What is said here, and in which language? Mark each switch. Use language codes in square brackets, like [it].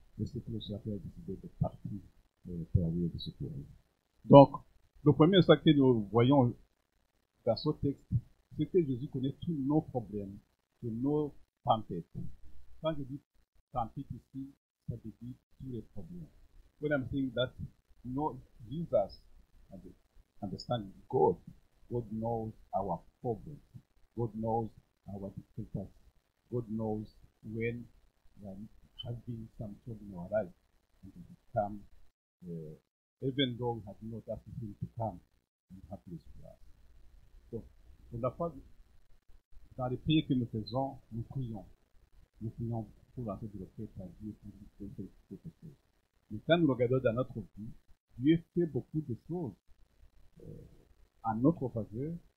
[fr] Et c'est pour ça qu'il a décidé de partir pour aller les secourir. Donc, le premier sac que nous voyons dans ce texte, c'est que Jésus connaît tous nos problèmes, tous nos tempêtes. Quand je dis tempête ici, ça veut dire tous les problèmes. [en] When I'm saying that, no, Jesus understands God. God knows our problems. God knows our difficulties. God knows when there has been some trouble in our life. And it has come, even though we have not asked him to come and have this for us. [fr] So, on n'a pas, dans les prières que nous faisons, nous prions. Nous prions pour l'entrée de l'offre par Dieu pour nous faire quelque chose. Mais quand nous regardons dans notre vie, Dieu fait beaucoup de choses à notre faveur.